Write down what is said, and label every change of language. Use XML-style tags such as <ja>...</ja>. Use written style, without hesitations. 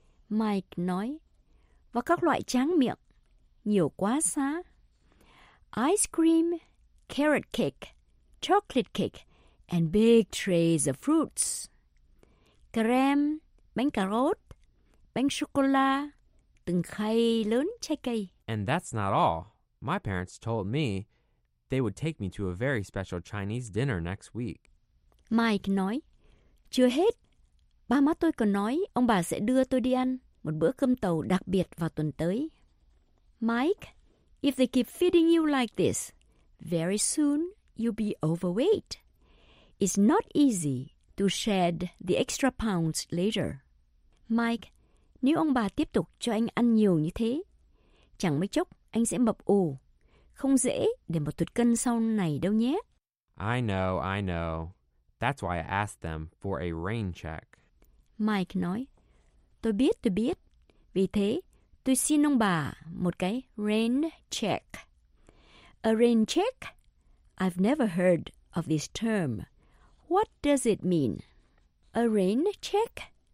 <vi>Mike nói. Và các loại tráng miệng. Nhiều quá xá.</vi> <en>Ice cream, carrot cake, chocolate cake, and big trays of fruits.</en> <vi>Kem, bánh cà rốt, bánh sô-cô-la, từng khay lớn trái cây.</vi> <en>And that's not all. My parents told me they would take me to a very special Chinese dinner next week.</en> <vi>Mike nói, chưa hết, ba má tôi còn nói ông bà sẽ đưa tôi đi ăn một bữa cơm tàu đặc biệt vào tuần tới.</vi> <en>Mike, if they keep feeding you like this, very soon you'll be overweight. It's not easy to shed the extra pounds later.</en> <vi>Mike, nếu ông bà tiếp tục cho anh ăn nhiều như thế, chẳng mấy chốc anh sẽ mập ù. Không dễ để một thụt cân sau này đâu nhé.</vi> <en>I know. That's why I asked them for a rain check.</en> <vi>Mike nói, tôi biết, vì thế tôi xin ông bà một cái rain check.</vi> <en>A rain check? I've never heard of this term. What does it mean? A rain check?</en>